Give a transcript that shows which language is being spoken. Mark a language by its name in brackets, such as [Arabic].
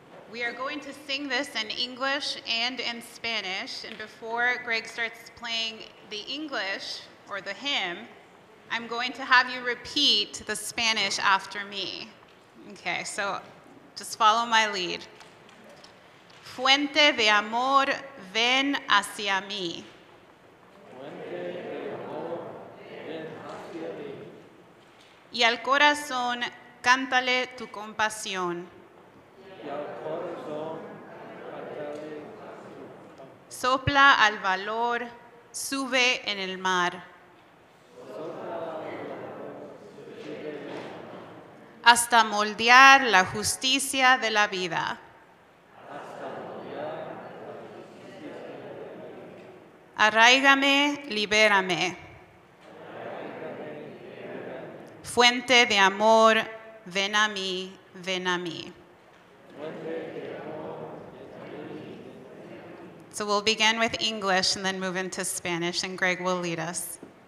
[English] We are going to sing this in English and in Spanish. And before Greg starts playing the English or the hymn, I'm going to have you repeat the Spanish after me. Okay, so just follow my lead. [Spanish] Fuente de amor, ven hacia mí. Y al corazón, cántale tu compasión. Y al corazón, cántale tu compasión. Sopla al valor, sube en el mar. Sopla al valor, sube en el mar. Hasta moldear la justicia de la vida. Hasta moldear la justicia de la vida. Arráigame, libérame. Fuente de amor, ven a mí, ven a mí. [English] So we'll begin with English and then move into Spanish, and Greg will lead us.